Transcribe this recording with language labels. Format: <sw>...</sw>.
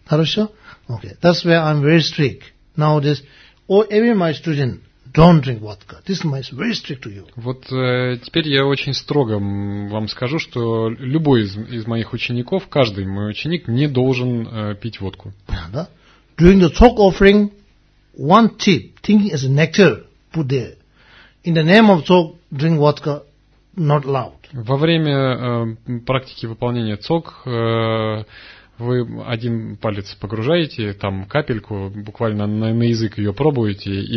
<en>Хорошо? Окей. That's why I'm very strict. Nowadays, every my student don't drink vodka. This is very strict to you.</en> <ru>Вот теперь я очень строго вам скажу, что любой из моих учеников, каждый мой ученик не должен пить водку. Понял, да?</ru> <en>During the talk offering, one tip, thinking as a nectar, put there. In the name of talk, drink vodka, not allowed.</en> <ru>Во время практики выполнения цок вы один палец погружаете, там капельку, буквально на язык ее пробуете, и</ru>